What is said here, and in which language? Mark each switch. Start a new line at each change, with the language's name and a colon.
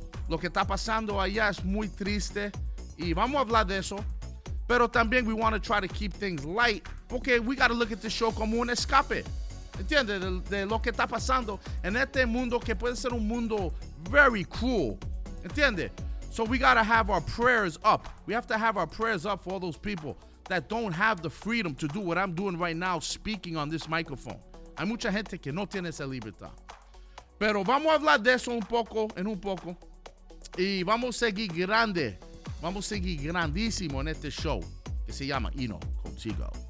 Spanish: Lo que está pasando allá es muy triste. Y vamos a hablar de eso. Pero también
English: we want to try to keep things light. Porque we got to look at the show
Spanish: como un escape.
English: ¿Entiendes?
Spanish: De lo que está pasando en este mundo que puede ser un mundo
English: very cruel.
Spanish: ¿Entiendes?
English: So we got to have our prayers up. We have to have our prayers up for all those people that don't have the freedom to do what I'm doing right now, speaking on this microphone.
Spanish: Hay mucha gente que no tiene esa libertad. Pero vamos a hablar de eso un poco. Y vamos a seguir grande. Vamos a seguir grandísimo en este show que se llama Eno Contigo.